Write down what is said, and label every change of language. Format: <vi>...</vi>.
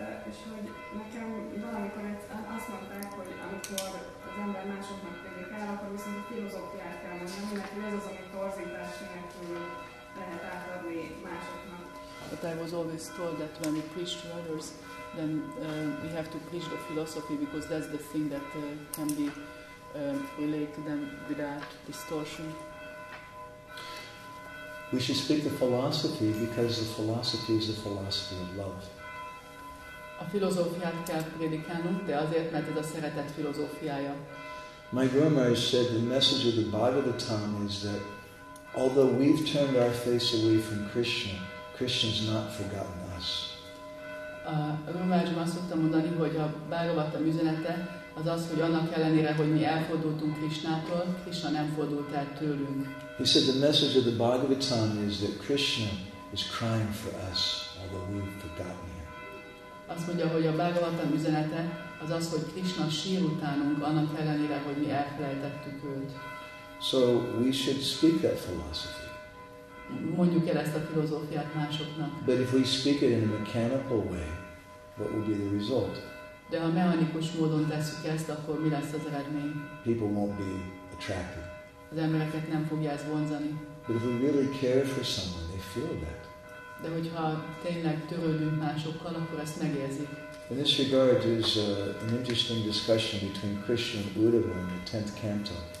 <hu>És hogy nekem valamikor azt mondták, hogy amikor az ember másoknak tényleg el, akkor viszont a filozófiát kell mondani, mert ez az, ami torzítás nélkül lehet átadni másoknak.</hu> <en>But I was always told that when we preach to others, then we have to preach the philosophy because that's the thing that can be relayed to them without distortion. We should speak the philosophy because the philosophy is the philosophy of love.</en> <hu>A filozófiát kell prédikálnunk, de azért, mert ez a szeretet filozófiája.</hu> <en>My grandmother said the message of the Bhagavatam is that although we've turned our face away from Krishna, Krishna's not forgotten us.</en> <hu>A Rumázsom azt szoktam mondani, hogy a Bhagavatam üzenete az az, hogy annak ellenére, hogy mi elfordultunk Krishnától, Krishna nem fordult el tőlünk.</hu> <en>He said the message of the Bhagavatam is that Krishna is crying for us, although we've forgotten him.</en> <hu>Azt mondja, hogy a Bhagavatam üzenete az az, hogy Krishna sír utánunk, annak ellenére, hogy mi elfelejtettük őt.</hu> <en>So we should speak that philosophy.</en> <hu>Mondjuk el ezt a filozófiát másoknak.</hu> <en>But if we speak it in a mechanical way, what will be the result?</en> <hu>De ha mechanikus módon tesszük ezt, akkor mi lesz az eredmény?</hu> <en>People won't be attracted.</en> <hu>Az embereket nem fogja ez vonzani.</hu> <en>But if we really care for someone, they feel that.</en> <hu>De hogyha tényleg törődünk másokkal, akkor ezt megérzik.</hu> <en>In this regard, there's an interesting discussion between Krishna and Uddhava in the 10th canto.</en>